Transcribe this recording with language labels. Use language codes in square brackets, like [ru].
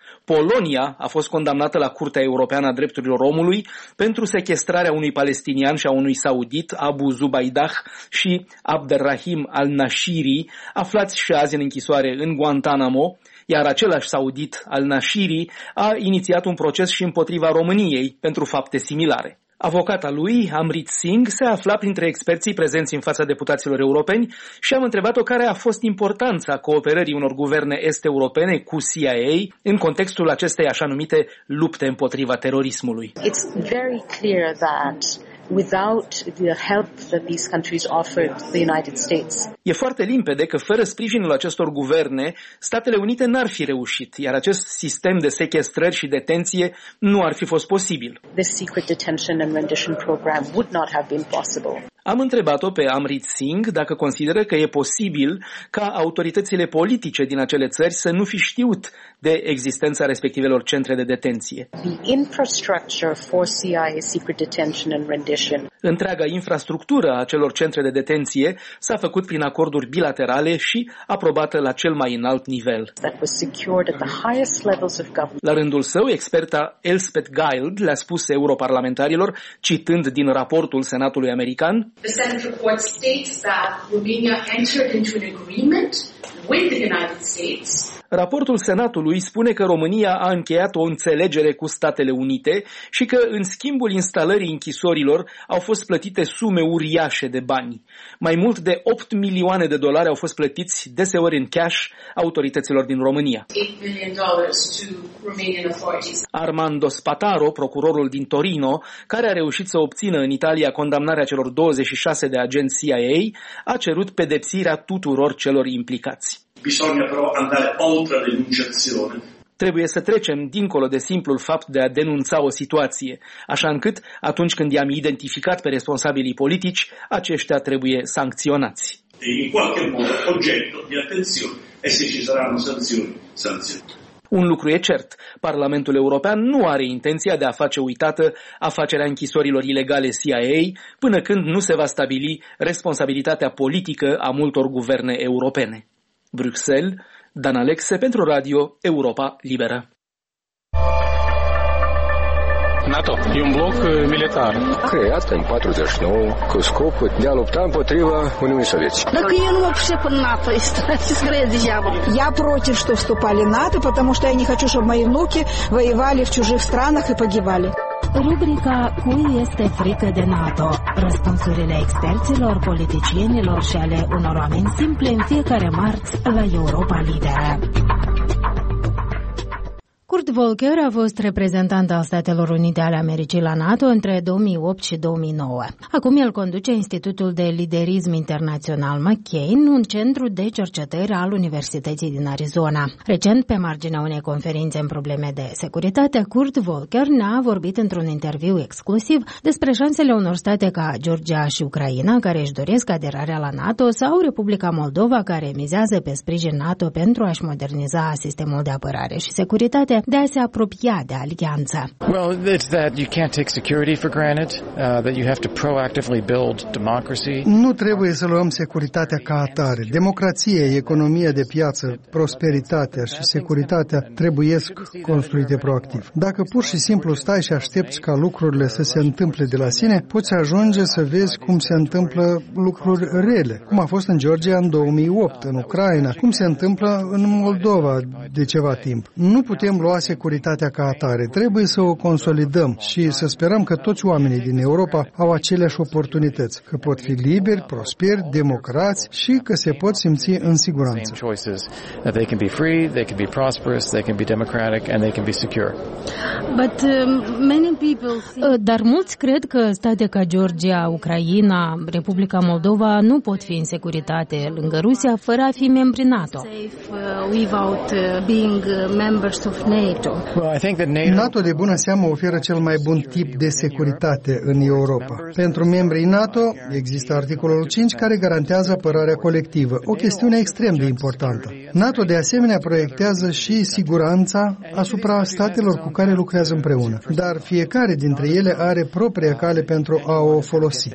[ro] Polonia a fost condamnată la Curtea Europeană a Drepturilor Omului pentru sechestrarea unui palestinian și a unui saudit, Abu Zubaydah și Abderrahim al-Nashiri, aflați și azi în închisoare în Guantanamo, iar același saudit al-Nashiri a inițiat un proces și împotriva României pentru fapte similare. Avocata lui, Amrit Singh, se afla printre experții prezenți în fața deputaților europeni și am întrebat-o care a fost importanța cooperării unor guverne est-europene cu CIA în contextul acestei așa numite lupte împotriva terorismului. [en] It's very clear that without the help that these countries offered the United States. [ro] E foarte limpede că fără sprijinul acestor guverne, Statele Unite n-ar fi reușit, iar acest sistem de sechestrări și detenție nu ar fi fost posibil. [en] The secret detention and rendition program would not have been possible. [ro] Am întrebat-o pe Amrit Singh dacă consideră că e posibil ca autoritățile politice din acele țări să nu fi știut de existența respectivelor centre de detenție. [en] The infrastructure for CIA secret detention and rendition. [ro] Întreaga infrastructură a celor centre de detenție s-a făcut prin acorduri bilaterale și aprobată la cel mai înalt nivel. [en] That was secured at the highest levels of government. [ro] La rândul său, experta Elspeth Guild le-a spus europarlamentarilor, citând din raportul Senatului American, [en] The Senate report states that Romania entered into an agreement with the United States. [ro] Raportul Senatului spune că România a încheiat o înțelegere cu Statele Unite și că în schimbul instalării închisorilor au fost plătite sume uriașe de bani. Mai mult de 8 milioane de dolari au fost plătiți deseori în cash autorităților din România. Armando Spataro, procurorul din Torino, care a reușit să obțină în Italia condamnarea celor 26 de agenți CIA, a cerut pedepsirea tuturor celor implicați. [it] Bisogna però andare oltre l'enunciazione. [ro] Trebuie să trecem dincolo de simplul fapt de a denunța o situație, așa încât, atunci când i-am identificat pe responsabilii politici, aceștia trebuie sancționați. [it] In qualche modo oggetto di attenzione e se ci saranno sanzioni, sanzioni. [ro] Un lucru e cert, Parlamentul European nu are intenția de a face uitată afacerea închisorilor ilegale CIA până când nu se va stabili responsabilitatea politică a multor guverne europene. Bruxelles, Dan Alexe pentru Radio Europa Liberă. NATO e un bloc militar. Creat în 49 cu scopul de a lupta împotriva Uniunii Sovietice. Dacă eu nu mă pricep în NATO, este greu degeaba. [ru] Я против, что вступали НАТО, потому что я не хочу, чтобы мои внуки воевали в чужих странах и погибали. [ro] Rubrica Cui este frică de NATO? Răspunsurile experților, politicienilor și ale unor oameni simple în fiecare marți la Europa Liberă. Kurt Volker a fost reprezentant al Statelor Unite ale Americii la NATO între 2008 și 2009. Acum el conduce Institutul de Liderism Internațional McCain, un centru de cercetări al Universității din Arizona. Recent, pe marginea unei conferințe în probleme de securitate, Kurt Volker ne-a vorbit într-un interviu exclusiv despre șansele unor state ca Georgia și Ucraina, care își doresc aderarea la NATO, sau Republica Moldova, care mizează pe sprijin NATO pentru a-și moderniza sistemul de apărare și securitate, de a se apropia de alianță. [en] Well, it's that you can't take security for granted, that you have to proactively build democracy. [ro] Nu trebuie să luăm securitatea ca atare. Democrație, economia de piață, prosperitatea și securitatea trebuiesc construite proactiv. Dacă pur și simplu stai și aștepți ca lucrurile să se întâmple de la sine, poți ajunge să vezi cum se întâmplă lucruri rele, cum a fost în Georgia în 2008, în Ucraina, cum se întâmplă în Moldova de ceva timp. Nu putem lua securitatea ca atare. Trebuie să o consolidăm și să sperăm că toți oamenii din Europa au aceleași oportunități, că pot fi liberi, prosperi, democrați și că se pot simți în siguranță. [en] They can be free, they can be prosperous, they can be democratic and they can be secure. But many people, [ro] dar mulți cred că state ca Georgia, Ucraina, Republica Moldova nu pot fi în securitate lângă Rusia fără a fi membri NATO. [en] Without being members of NATO. [ro] NATO de bună seamă oferă cel mai bun tip de securitate în Europa. Pentru membrii NATO există articolul 5 care garantează apărarea colectivă, o chestiune extrem de importantă. NATO de asemenea proiectează și siguranța asupra statelor cu care lucrează împreună, dar fiecare dintre ele are propria cale pentru a o folosi.